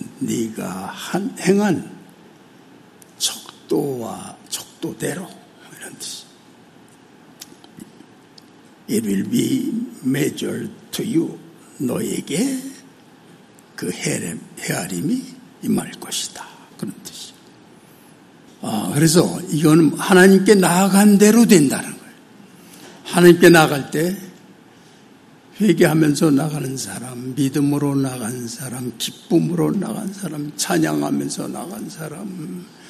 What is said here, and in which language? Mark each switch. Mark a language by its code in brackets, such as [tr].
[ko] 네가 행한 속도와 속도대로 이런 뜻. [en] It will be measured to you. [ko] 너에게 그 헤아림이 임할 것이다. 그런 뜻이. 그래서 이거는 하나님께 나아간 대로 된다는 거예요. 하나님께 나아갈 때 회개하면서 나가는 사람, 믿음으로 나간 사람, 기쁨으로 나간 사람, 찬양하면서 나간 사람,